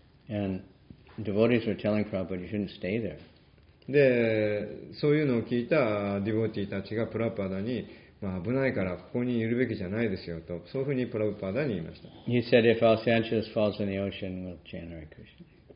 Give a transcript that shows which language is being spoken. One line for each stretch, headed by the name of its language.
English: And devotees were telling Prabhupada, you shouldn't stay there.
Japanese: で、そういうのを聞いたディボティたちがプラパダに、まあ、危ないからここにいるべきじゃないですよと、そういうふうにプラパダに言いました。
English: He said, if Los Angeles falls in the ocean, we'll chant Hare Krishna.